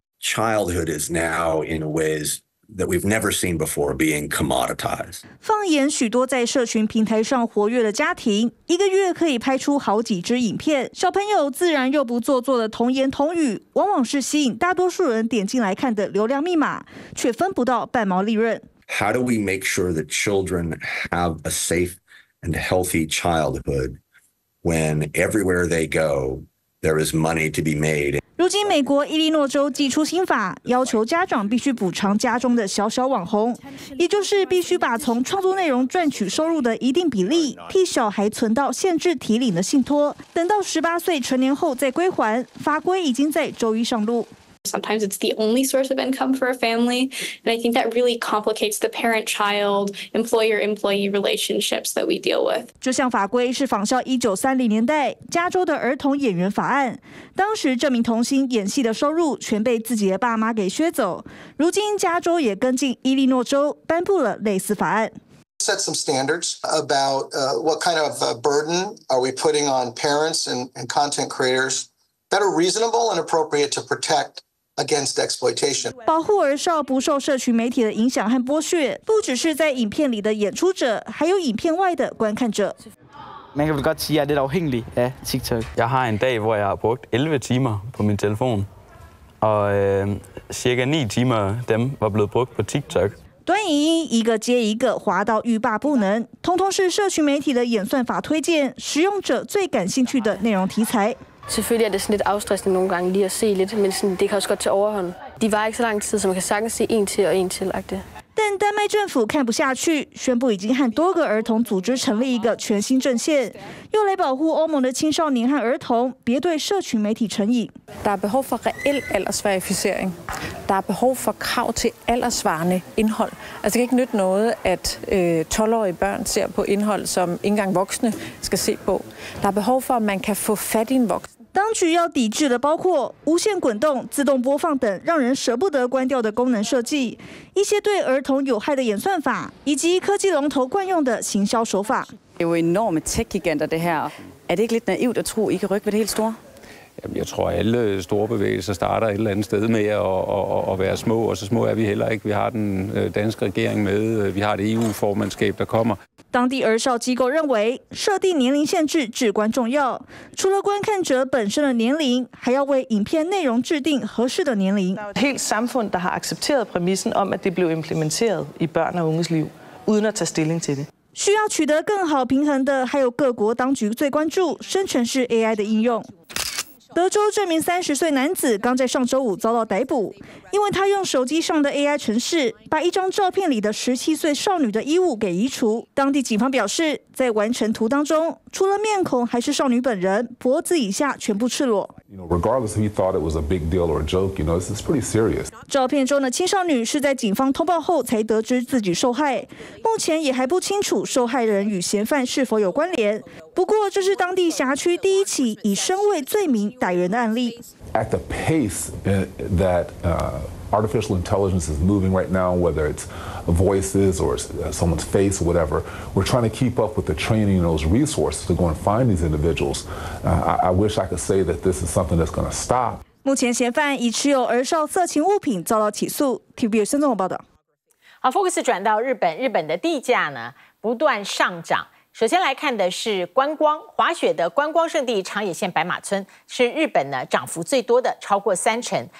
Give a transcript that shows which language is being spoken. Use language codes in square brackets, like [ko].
[en] Childhood is now in ways that we've never seen before being commoditized. [zh] 放眼许多在社群平台上活跃的家庭，一个月可以拍出好几支影片，小朋友自然又不做作的童言童语，往往是吸引大多数人点进来看的流量密码，却分不到半毛利润。 [en] How do we make sure that children have a safe and healthy childhood when everywhere they go, there is money to be made? [zh] 如今美国伊利诺州祭出新法，要求家长必须补偿家中的小小网红，也就是必须把从创作内容赚取收入的一定比例替小孩存到限制提领的信托，等到18岁成年后再归还。法规已经在周一上路。 [en] Sometimes it's the only source of income for a family, and I think that really complicates the parent-child, employer-employee relationships that we deal with. [zh] 这项法规是仿效1930年代加州的儿童演员法案，当时这名童星演戏的收入全被自己的爸妈给削走。如今加州也跟进伊利诺州颁布了类似法案。 [en] Set some standards about what kind of burden are we putting on parents and content creators. That are reasonable and appropriate to protect against exploitation. [zh] 保护儿少不受社群媒体的影响和剥削，不只是在影片里的演出者，还有影片外的观看者。 [da] Man kan vel godt sige, at jeg er lidt afhængig af TikTok. Jeg har en dag, hvor jeg har brugt 11 timer på min telefon, og cirka 9 timer dem var blevet brugt på TikTok. [zh] 短影音一个接一个滑到欲罢不能，通通是社群媒体的演算法推荐，使用者最感兴趣的内容题材。 [da] Selvfølgelig er det sådan lidt afstressende nogle gange lige at se lidt, men sådan, det kan også godt tage overhånd. De varer ikke så lang tid, så man kan sagtens se en til og en til. Like det. [zh] 但丹麦政府看不下去，宣布已经和多个儿童组织成立一个全新阵线，用来保护欧盟的青少年和儿童别对社群媒体成瘾。 [da] Der er behov for reel aldersverificering. Der er behov for krav til alderssvarende indhold. Altså det kan ikke nytte noget, at 12-årige børn ser på indhold, som ikke engang voksne skal se på. Der er behov for, at man kan få fat i en voksen. [zh] 当局要抵制的包括无线滚动、自动播放等让人舍不得关掉的功能设计，一些对儿童有害的演算法，以及科技龙头惯用的行销手法。 [da] Det er jo enorme tech-giganter det her. Er det ikke lidt naivt at tro, I kan rykke ved det helt store? Jamen, jeg tror, alle store bevægelser starter et eller andet sted med at være små, og så små er vi heller ikke. Vi har den danske regering med, vi har det EU-formandskab, der kommer. [zh] 当地儿少机构认为，设定年龄限制至关重要，除了观看者本身的年龄，还要为影片内容制定合适的年龄。 [da] Helt samfund, der har accepteret præmissen om, at det blev implementeret i børn og unges liv, uden at tage stilling til det. [zh] 需要取得更好平衡的还有各国当局最关注生成式 AI 的应用。德州这名30岁男子刚在上周五遭到逮捕，因为他用手机上的 AI 程式把一张照片里的17岁少女的衣物给移除。当地警方表示，在完成图当中，除了面孔还是少女本人，脖子以下全部赤裸。 [en] Regardless if he thought it was a big deal or a joke, you know, this is pretty serious. [zh] 照片中的青少女是在警方通报后才得知自己受害，目前也还不清楚受害人与嫌犯是否有关联。不过，这是当地辖区第一起以身为罪名逮人的案例。 [en] At the pace that artificial intelligence is moving right now, whether it's voices or someone's face or whatever, we're trying to keep up with the training and those resources to go and find these individuals. I wish I could say that this is something that's going to stop. [zh] 目前嫌犯以持有儿少色情物品遭到起诉。 TVBS 新闻报道。好 ，Focus 转到日本，日本的地价呢不断上涨。首先来看的是观光，滑雪的观光胜地长野县白马村是日本呢涨幅最多的，超过30%。